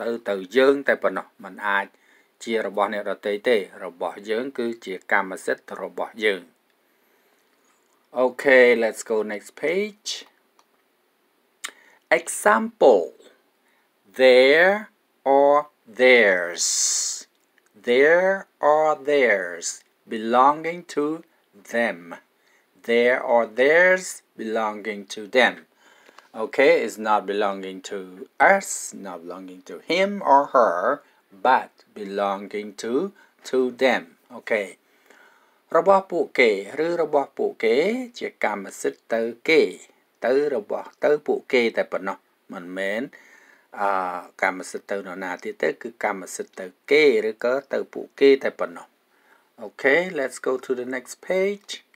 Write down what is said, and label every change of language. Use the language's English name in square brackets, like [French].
[Khmer] ទៅយើងតែប៉ុណ្ណោះมันអាចជារបស់អ្នកដទៃទេរបស់យើងគឺជាកម្មសិទ្ធិរបស់យើង [English] Okay, let's go next page. Example. There or theirs belonging to them. There or theirs belonging to them. Okay, it's not belonging to us, not belonging to him or her, but belonging to them. Okay. [Khmer] របស់ពួកគេឬរបស់ពួកគេជាកម្មសិទ្ធិទៅគេទៅរបស់ទៅពួកគេតែប៉ុណ្ណោះមិនមែនកម្មសិទ្ធិទៅនរណាទៀតទេគឺកម្មសិទ្ធិទៅគេឬក៏ទៅពួកគេតែប៉ុណ្ណោះ [English] Okay, let's go to the next page.